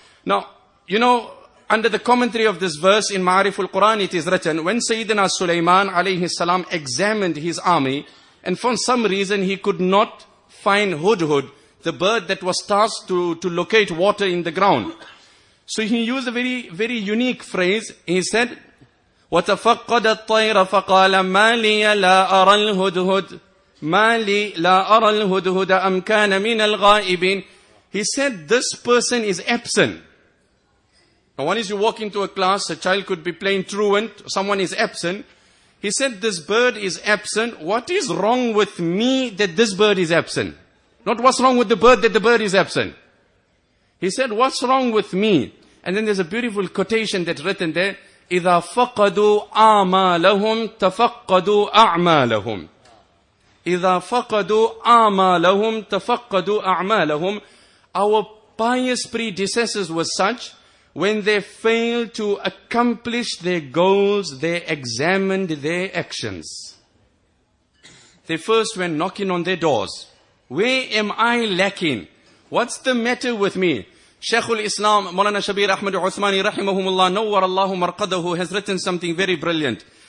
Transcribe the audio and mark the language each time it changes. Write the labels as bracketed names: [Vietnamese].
[English] Now, you know, under the commentary of this verse in Ma'ariful Quran, it is written, when Sayyidina Sulaiman alayhi salam examined his army, and for some reason he could not find Hudhud, the bird that was tasked to locate water in the ground. So he used a very, very unique phrase. He said, [Arabic] وَتَفَقَّدَ الطَّيْرَ فَقَالَ مَا لِيَ لَا أَرَى الْهُدْهُدَ مَا لِيَ لَا أَرَى الْهُدْهُدَ أَمْ كَانَ مِنَ الْغَائِبِينَ. [English] He said, this person is absent. Now one is you walk into a class, a child could be playing truant, someone is absent. He said, this bird is absent. What is wrong with me that this bird is absent? Not what's wrong with the bird that the bird is absent. He said, what's wrong with me? And then there's a beautiful quotation that's written there. [Arabic] إِذَا فَقَدُوا أَعْمَالَهُمْ تَفَقَّدُوا أَعْمَالَهُمْ إِذَا فَقَدُوا أَعْمَالَهُمْ تَفَقَّدُوا أَعْمَالَهُمْ. [English] Our pious predecessors were such, when they failed to accomplish their goals, they examined their actions. They first went knocking on their doors. Where am I lacking? What's the matter with me? Sheikh al-Islam, Mawlana Shabir Ahmad Uthmani, rahimahumullah, [Arabic] nawwar Allahu marqadahu, [English] has written something very brilliant.